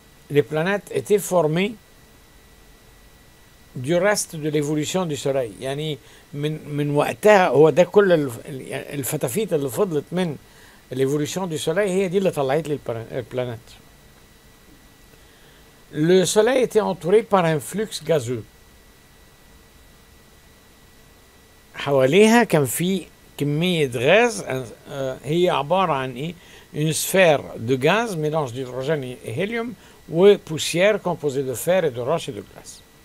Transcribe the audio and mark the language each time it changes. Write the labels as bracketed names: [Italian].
[French] Les planètes étaient formées du reste de l'évolution du Soleil. [Arabic] يعني من وقتها هو ده كل الفتافيت اللي فضلت من [French] الايفوليوشن دو سولاي [Arabic] هي دي اللي طلعت لي البلانيت. [French] Le Soleil était entouré par un flux gazeux. [Arabic] حواليها كان في كمية غاز هي عبارة عن ايه؟ [French] Une sphère de gaz, mélange d'hydrogène et hélium, ou poussière composée de fer et de roche et de glace.